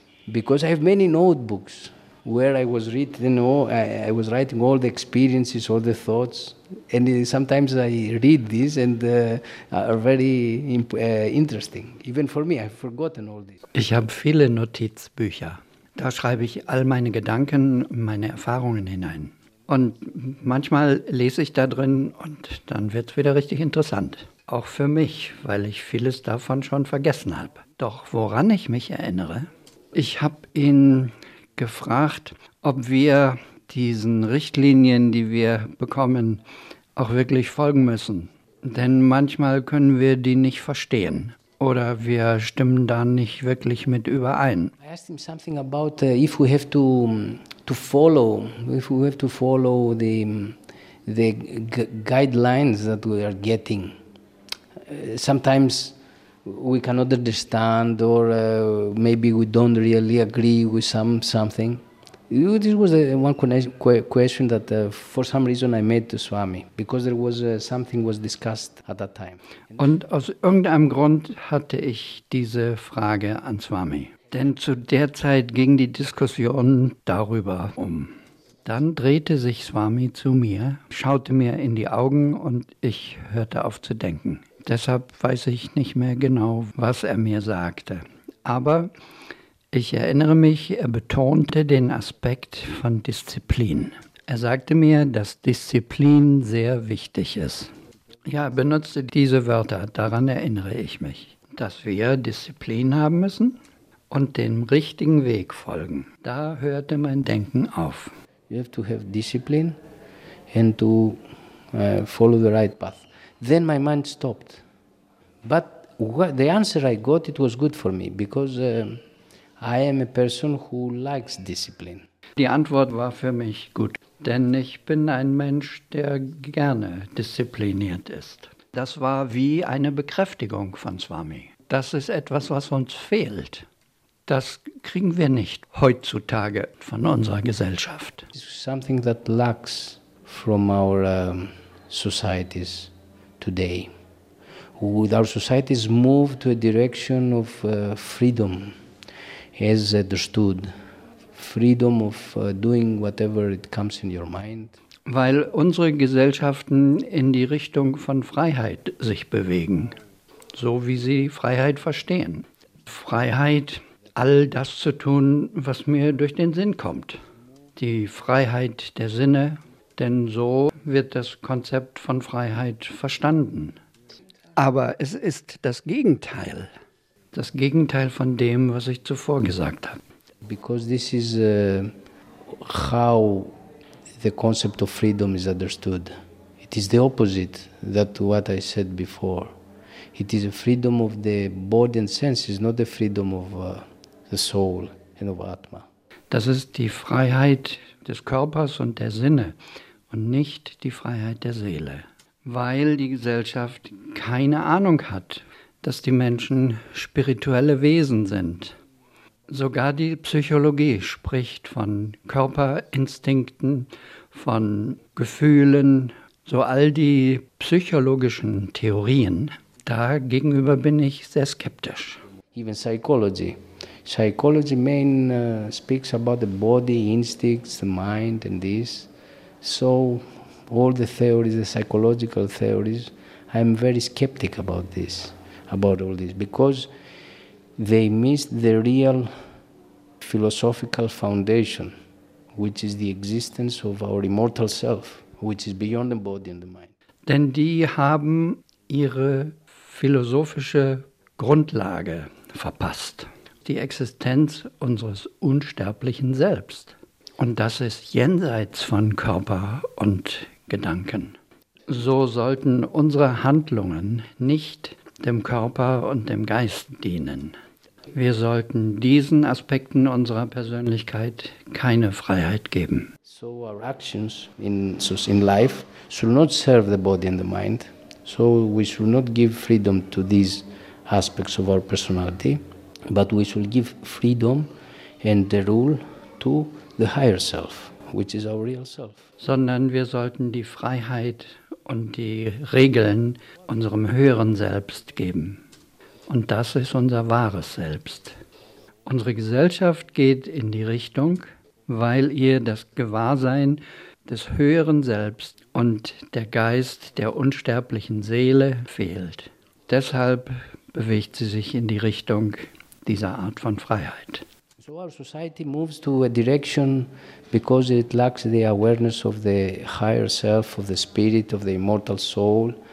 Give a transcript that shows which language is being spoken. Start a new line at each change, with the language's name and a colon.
English: Because I have many notebooks where I was written, I was writing all the experiences, all the thoughts. And sometimes I read these and are very interesting. Even for me, I've forgotten all this.
German: Ich habe viele Notizbücher. Da schreibe ich all meine Gedanken, meine Erfahrungen hinein. Und manchmal lese ich da drin und dann wird es wieder richtig interessant. Auch für mich, weil ich vieles davon schon vergessen habe. Doch woran ich mich erinnere, ich habe ihn gefragt, ob wir diesen Richtlinien, die wir bekommen, auch wirklich folgen müssen. Denn manchmal können wir die nicht verstehen. Oder wir stimmen da nicht wirklich mit überein.
English: I asked him something about if we have to follow the guidelines that we are getting. Sometimes we cannot understand or maybe we don't really agree with something. This was one question that for some reason I made to Swami, because there was something was discussed at that time.
German: Und aus irgendeinem Grund hatte ich diese Frage an Swami. Denn zu der Zeit ging die Diskussion darüber um. Dann drehte sich Swami zu mir, schaute mir in die Augen und ich hörte auf zu denken. Deshalb weiß ich nicht mehr genau, was er mir sagte. Aber ich erinnere mich, er betonte den Aspekt von Disziplin. Er sagte mir, dass Disziplin sehr wichtig ist. Ja, er benutzte diese Wörter, daran erinnere ich mich, dass wir Disziplin haben müssen und dem richtigen Weg folgen. Da hörte mein Denken auf.
English: You have to have discipline and to follow the right path. Then my mind stopped. But the answer I got, it was good for me, because I am a person who likes discipline.
German: Die Antwort war für mich gut, denn ich bin ein Mensch, der gerne diszipliniert ist. Das war wie eine Bekräftigung von Swami. Das ist etwas, was uns fehlt. Das kriegen wir nicht heutzutage von unserer Gesellschaft.
English: It's something that lacks from our societies today. With our societies move to a direction of freedom, as understood, freedom of doing whatever it comes in your mind.
German: Weil unsere Gesellschaften in die Richtung von Freiheit sich bewegen, so wie sie Freiheit verstehen. Freiheit, all das zu tun, was mir durch den Sinn kommt. Die Freiheit der Sinne, denn so wird das Konzept von Freiheit verstanden. Aber es ist das Gegenteil von dem, was ich zuvor gesagt habe.
English: Because this is how the concept of freedom is understood. It is the opposite that what I said before. It is a freedom of the body and senses, not the freedom of the soul and of Atma.
German: Das ist die Freiheit des Körpers und der Sinne und nicht die Freiheit der Seele. Weil die Gesellschaft keine Ahnung hat, dass die Menschen spirituelle Wesen sind. Sogar die Psychologie spricht von Körperinstinkten, von Gefühlen, so all die psychologischen Theorien. Dagegenüber bin ich sehr skeptisch.
English: Even psychology. Psychology main speaks about the body, instincts, the mind and this. So all the theories, the psychological theories, I'm very skeptic about this, about all this, because they miss the real philosophical foundation, which is the existence of our immortal self, which is beyond the body and the mind.
German: Denn die haben ihre philosophische Grundlage verpasst. Die Existenz unseres unsterblichen Selbst. Und das ist jenseits von Körper und Gedanken. So sollten unsere Handlungen nicht dem Körper und dem Geist dienen. Wir sollten diesen Aspekten unserer Persönlichkeit keine Freiheit geben.
English: So our actions in life should not serve the body and the mind. So we should not give freedom to these aspects of our personality, but we should give freedom and the rule to the higher self, which is our real self.
German: Sondern wir sollten die Freiheit und die Regeln unserem höheren Selbst geben. Und das ist unser wahres Selbst. Unsere Gesellschaft geht in die Richtung, weil ihr das Gewahrsein des höheren Selbst und der Geist der unsterblichen Seele fehlt. Deshalb bewegt sie sich in die Richtung dieser Art von Freiheit.
English: So our society moves to a direction because it lacks the awareness of the higher self, of the spirit, of the immortal soul.